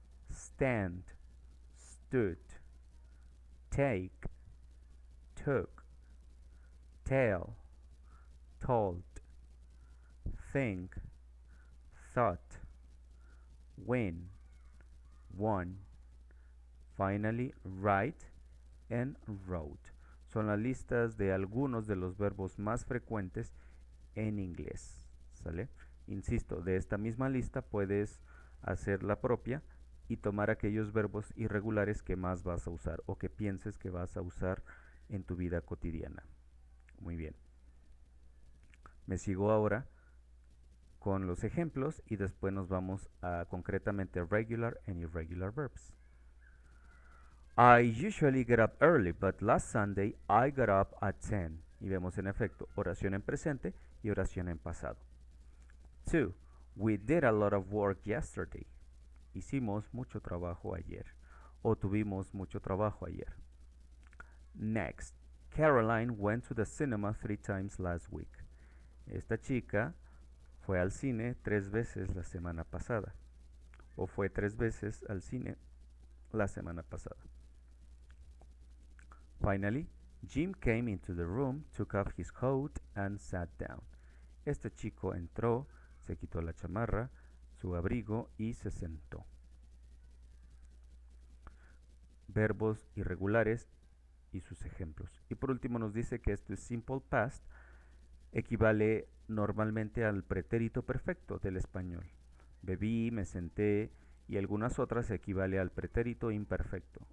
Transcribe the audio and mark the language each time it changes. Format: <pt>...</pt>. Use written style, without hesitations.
<en>Stand, stood. Take, took. Tell, told. Think, thought. Win, won. Finally, write and wrote.</en> <es>Son las listas de algunos de los verbos más frecuentes en inglés. ¿Sale? Insisto, de esta misma lista puedes hacer la propia y tomar aquellos verbos irregulares que más vas a usar o que pienses que vas a usar en tu vida cotidiana. Muy bien. Me sigo ahora con los ejemplos y después nos vamos a concretamente</es> <en>regular and irregular verbs. I usually get up early, but last Sunday I got up at 10.</en> <es>Y vemos en efecto oración en presente y oración en pasado.</es> <en>2. We did a lot of work yesterday.</en> <es>Hicimos mucho trabajo ayer. O tuvimos mucho trabajo ayer.</es> <en>Next. Caroline went to the cinema 3 times last week.</en> <es>Esta chica fue al cine 3 veces la semana pasada. O fue 3 veces al cine la semana pasada. Finally, Jim came into the room, took off his coat and sat down. Este chico entró. Se quitó la chamarra, su abrigo y se sentó. Verbos irregulares y sus ejemplos. Y por último nos dice que este simple past equivale normalmente al pretérito perfecto del español. Bebí, me senté y algunas otras equivale al pretérito imperfecto.</es>